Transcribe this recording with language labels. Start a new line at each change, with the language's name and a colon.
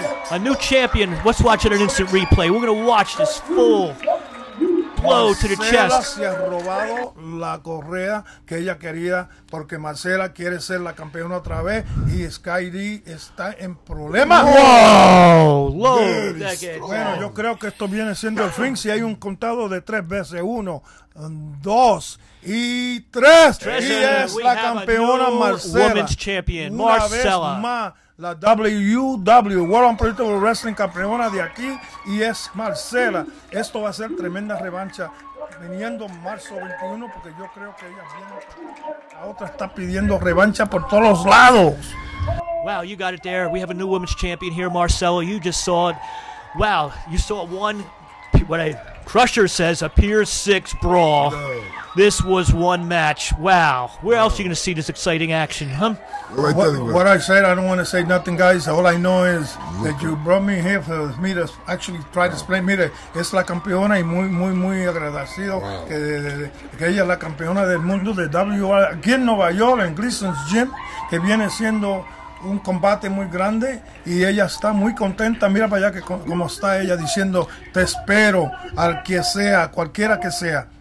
English: A new champion. Let's watch it an instant replay. We're going to watch this full blow Marcela to the chest.
Spanish: Se ha robado la correa que ella quería porque Marcela quiere ser la campeona otra vez y Sky D está en problemas.
English: Wow, low.
Spanish: Bueno, yo creo que esto viene siendo el fin si hay un contado de tres veces. Uno, dos y tres. Treasure, y es la campeona Marcela.
English: Women's champion,
Spanish: una Marcela. Vez más, la WW, World Unpredictable Wrestling campeona de aquí, y es Marcela. Esto va a ser tremenda revancha viniendo marzo 21, porque yo creo que ella viene. La otra está pidiendo revancha por todos los lados.
English: Wow, you got it there. We have a new women's champion here, Marcela. You just saw it. Wow, you saw one, what a Crusher says, a Pier 6 brawl. This was one match. Wow. Where else are you going to see this exciting action, huh? What I said, I don't want to say nothing, guys. All I know is that you brought me here for me to actually try to explain.
Spanish: Mire, es la campeona y muy, muy, muy agradecido que ella es la campeona del mundo de WR aquí en Nueva York, en Gleason's Gym, que viene siendo un combate muy grande y ella está muy contenta. Mira para allá que como está ella diciendo, te espero al que sea, cualquiera que sea.